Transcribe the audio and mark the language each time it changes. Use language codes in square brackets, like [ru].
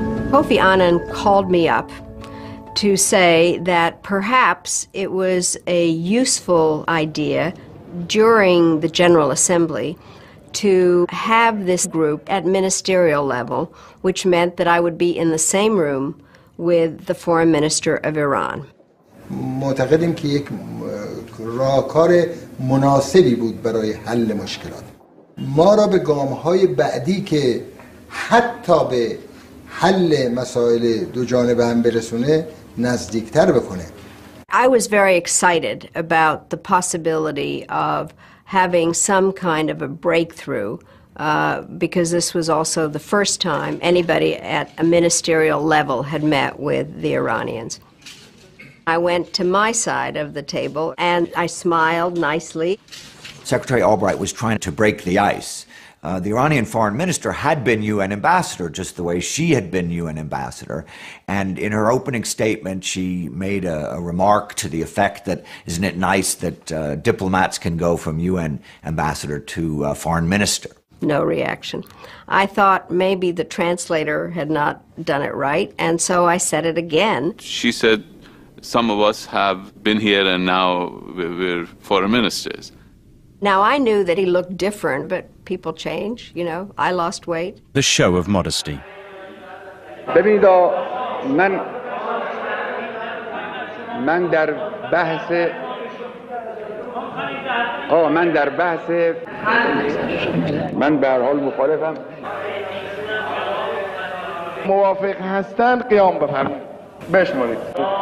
[en] Kofi Annan called me up to say that perhaps it was a useful idea during the General Assembly to have this group at ministerial level, which meant that I would be in the same room with the foreign minister of Iran. [fa] معتقدیم که یک راهکار مناسبی بود برای حل مشکلات. ما را به گام‌های بعدی که حتی به حل مسائل دو جانبه هم برسونه نزدیکتر بکنه. [en] I was very excited about the possibility of having some kind of a breakthrough because this was also the first time anybody at a ministerial level had met with the Iranians. I went to my side of the table and I smiled nicely. Secretary Albright was trying to break the ice. The Iranian foreign minister had been UN ambassador just the way she had been UN ambassador. And in her opening statement, she made a remark to the effect that, isn't it nice that diplomats can go from UN ambassador to foreign minister? No reaction. I thought maybe the translator had not done it right, and so I said it again. She said, some of us have been here and now we're foreign ministers. Now, I knew that he looked different, but people change, you know. I lost weight. The show of modesty. [fa] ببینید من در بحث آه من در بحث من به هر حال مخالفم موافق هستند قیام بفرمایید بشمارید